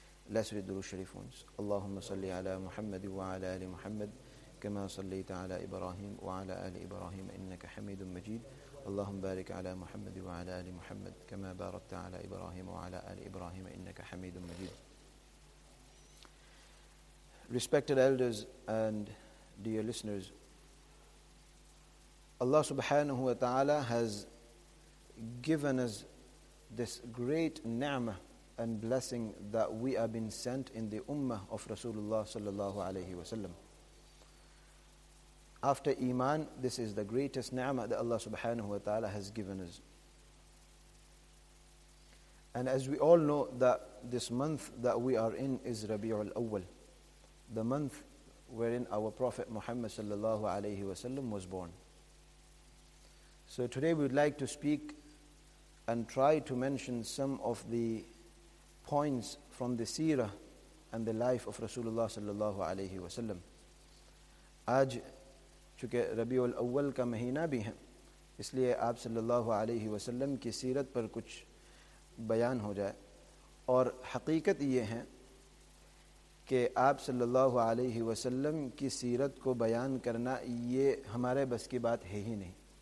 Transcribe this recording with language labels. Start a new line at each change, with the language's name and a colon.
Arabic: لا سيد الدروس الشريف، اللهم صل على محمد وعلى آل محمد كما صليت على إبراهيم وعلى آل إبراهيم إنك حميد مجيد. اللهم بارك على محمد وعلى آل محمد كما باركت على إبراهيم وعلى آل إبراهيم إنك حميد مجيد.
English: Respected elders and dear listeners, Allah subhanahu wa ta'ala has given us this great ni'mah and blessing that we have been sent in the ummah of Rasulullah sallallahu alayhi wa sallam. After Iman, this is the greatest ni'mah that Allah subhanahu wa ta'ala has given us. And as we all know, that this month that we are in is Rabi'ul Awwal, the month wherein our Prophet Muhammad sallallahu alayhi wa sallam was born. So today we would like to speak and try to mention some of the points from the seerah and the life of Rasulullah sallallahu alayhi wa sallam.
Urdu: Aaj چونکہ ربیع الاول کا مہینہ بھی ہے، اس لیے آپ صلی اللہ علیہ وسلم کی سیرت پر کچھ بیان ہو جائے. اور حقیقت یہ ہے کہ آپ صلی اللہ علیہ وسلم کی سیرت کو بیان کرنا یہ ہمارے بس کی بات ہے ہی نہیں.